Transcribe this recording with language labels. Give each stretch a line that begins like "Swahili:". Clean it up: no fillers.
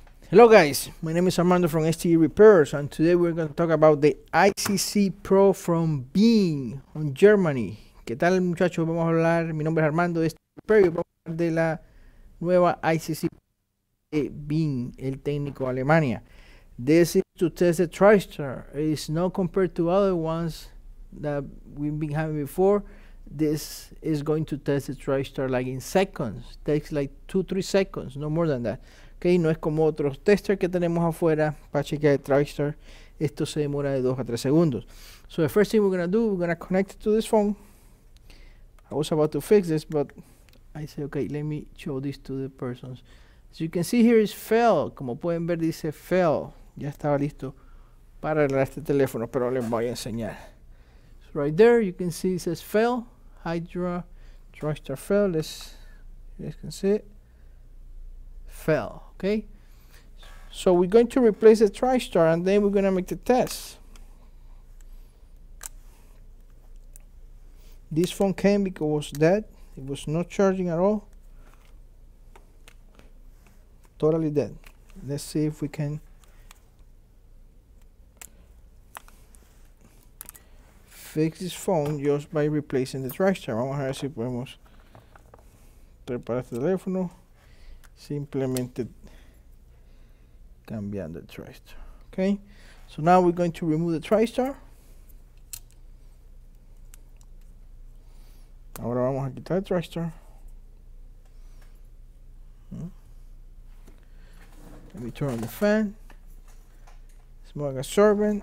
English: Hello guys, my name is Armando from STE Repairs, and today we're going to talk about the ICC PRO from Bing, from Germany.
Spanish: ¿Qué tal muchachos? Vamos a hablar, mi nombre es Armando de STE Repairs, y vamos a hablar de la nueva ICC de Bing, el técnico de Alemania.
English: This is to test the Tristar. It is not compared to other ones that we've been having before. This is going to test the Tristar like in seconds. It takes like 2-3 seconds, no more than that.
Spanish: Okay, no es como otros testers que tenemos afuera para chequear el Tristar. Esto se demora de 2-3 segundos.
English: So the first thing we're going to do, we're going to connect it to this phone. I was about to fix this, but I said, okay, let me show this to the persons. So you can see here is fail. Como pueden ver, dice fail.
Spanish: Ya estaba listo para arreglar este teléfono, pero les voy a enseñar.
English: So right there, you can see it says fail. Hydra, Tristar fail. Let's, you guys can see it. Fell, okay? So we're going to replace the Tristar and then we're going to make the test. This phone came because it was dead. It was not charging at all. Totally dead. Let's see if we can fix this phone just by replacing the Tristar.
Spanish: Vamos a ver si podemos reparar este teléfono. Simplemente cambiando the Tristar.
English: Okay, so now we're going to remove the Tristar.
Spanish: Ahora vamos a quitar el Tristar.
English: Let me turn on the fan. It's more like a sorbent.